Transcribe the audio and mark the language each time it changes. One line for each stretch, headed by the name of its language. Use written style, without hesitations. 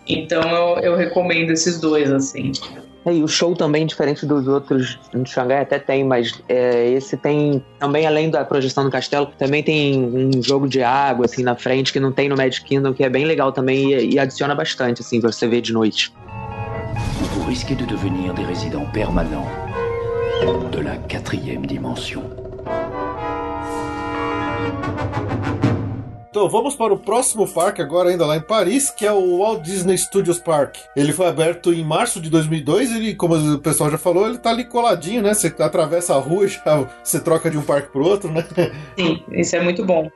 Portuguese: Então eu recomendo esses dois, assim. É, e o show também, diferente dos outros em Xangai, até tem, mas esse tem também, além da projeção do castelo, também tem um jogo de água, assim, na frente, que não tem no Magic Kingdom, que é bem legal também e adiciona bastante, assim, pra você ver de noite.
French: Risque de devenir des résidents permanents de la quatrième dimension.
Portuguese: Então, vamos para o próximo parque agora, ainda lá em Paris, que é o Walt Disney Studios Park. Ele foi aberto em março de 2002 e, como o pessoal já falou, ele tá ali coladinho, né? Você atravessa a rua e já você troca de um parque pro outro, né? Sim, isso é muito bom.